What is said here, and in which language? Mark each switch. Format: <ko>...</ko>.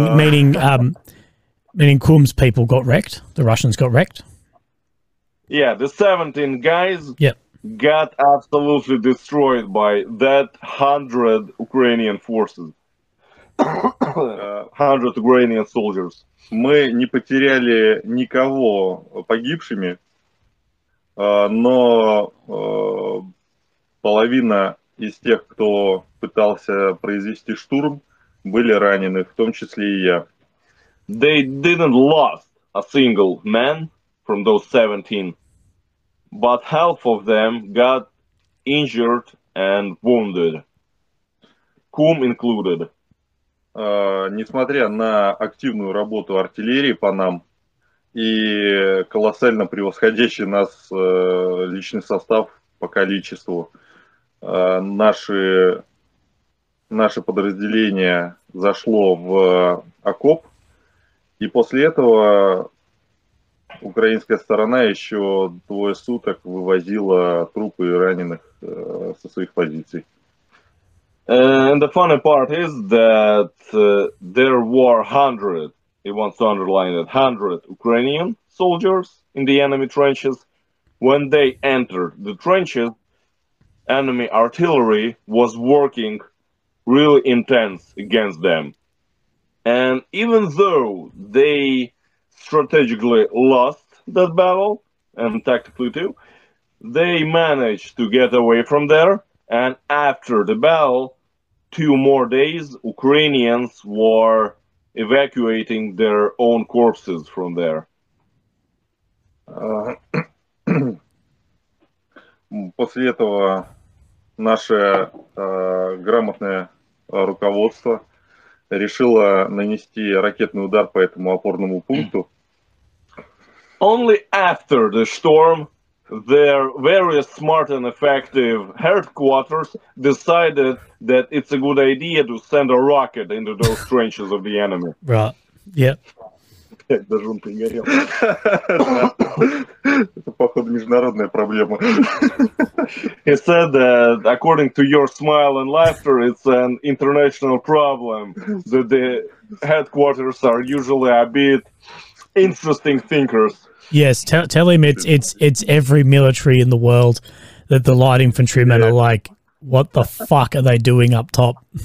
<en>Meaning Kum's people got wrecked. The Russians got wrecked. Yeah, the 17 guys got absolutely destroyed by that 100 Ukrainian forces. 100 Ukrainian soldiers.</en> <ru>Мы не потеряли никого погибшими, но половина из тех, кто пытался произвести штурм, были ранены, в том числе и я.</ru> <en>They didn't lost a single man from those 17, but half of them got injured and wounded, Kum included.</en> <ru>Несмотря на активную работу артиллерии по нам и колоссально превосходящий нас личный состав по количеству, наше подразделение зашло в окоп, и после этого украинская сторона еще двое суток вывозила трупы раненых со своих позиций.</ru> <en>And the funny part is that there were 100, he wants to underline it, 100 Ukrainian soldiers in the enemy trenches. When they entered the trenches, enemy artillery was working really intense against them. And even though they strategically lost that battle, and tactically too, they managed to get away from there. And after the battle, two more days, Ukrainians were evacuating their own corpses from there.</en> <ru>После этого наше грамотное руководство решило нанести ракетный удар по этому опорному пункту.</ru> <en>Only after the storm, their very smart and effective headquarters decided that it's a good idea to send a rocket into those trenches of the enemy. Right. Yeah.</en> <ru>Даже он пригорел. Это, походу, международная проблема.</ru> <en>He said that, according to your smile and laughter, it's an international problem, that the headquarters are usually a bit interesting thinkers. Yes, tell him it's every military in the world that the light infantrymen are like, what the fuck are they doing up top?</en>